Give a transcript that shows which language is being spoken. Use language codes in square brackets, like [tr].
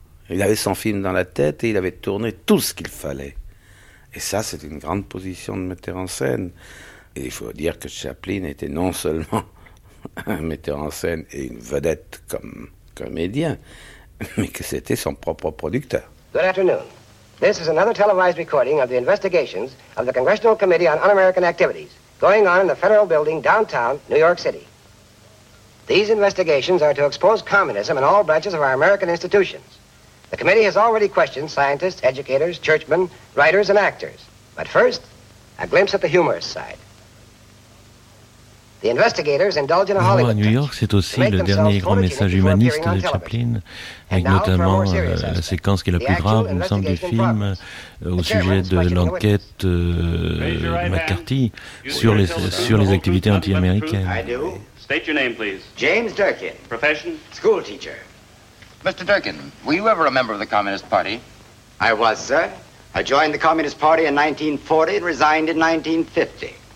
[fr] Il avait son film dans la tête et il avait tourné tout ce qu'il fallait. Et ça, c'est une grande position de metteur en scène. Et il faut dire que Chaplin était non seulement un metteur en scène et une vedette comme comédien, mais que c'était son propre producteur. [en] Good afternoon. This is another televised recording of the investigations of the Congressional Committee on Un-American Activities going on in the federal building downtown New York City. These investigations are to expose communism in all branches of our American institutions. The committee has already questioned scientists, educators, churchmen, writers, and actors. But first, a glimpse at the humorous side. The investigators indulge in a Hollywood. [fr] À New York, c'est aussi le dernier grand message humaniste de Chaplin, avec notamment la séquence qui est la plus grave, il me semble, du film, au sujet de l'enquête McCarthy sur les activités anti-américaines. [en] I do. State your name, please. James Durkin. Profession? School teacher. Mr. Durkin, were you ever a member of the Communist Party? I was, sir. I joined the Communist Party in 1940 and resigned in 1950.